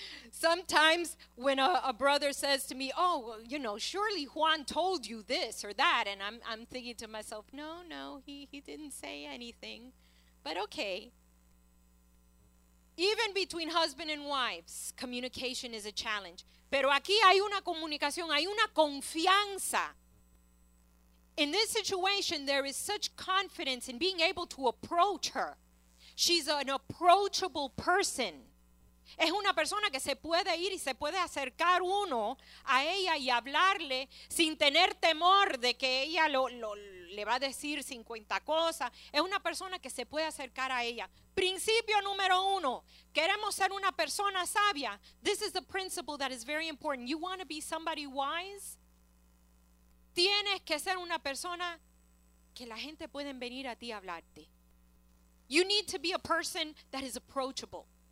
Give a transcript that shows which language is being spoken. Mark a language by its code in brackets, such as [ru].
[en] Sometimes when a brother says to me, oh, well, you know, surely Juan told you this or that, and I'm thinking to myself, no, he didn't say anything, but okay. Even between husband and wives, communication is a challenge. [es] Pero aquí hay una comunicación, hay una confianza. [en] In this situation, there is such confidence in being able to approach her. She's an approachable person. [es] Es una persona que se puede ir y se puede acercar uno a ella y hablarle sin tener temor de que ella le va a decir 50 cosas. Es una persona que se puede acercar a ella. Principio número uno, queremos ser una persona sabia. [en] This is the principle that is very important. You want to be somebody wise? [es] Tienes que ser una persona que la gente puede venir a ti a hablarte. [en] You need to be a person that is approachable.